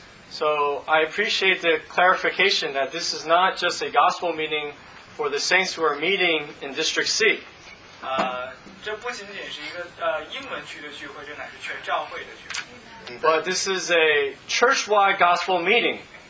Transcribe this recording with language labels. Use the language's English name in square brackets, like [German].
[English] So I appreciate the clarification that this is not just a gospel meeting for the saints who are meeting in District C. [Chinese] 这不仅仅是一个英文区的聚会，这乃是全教会的聚会。 [English] But this is a church-wide gospel meeting.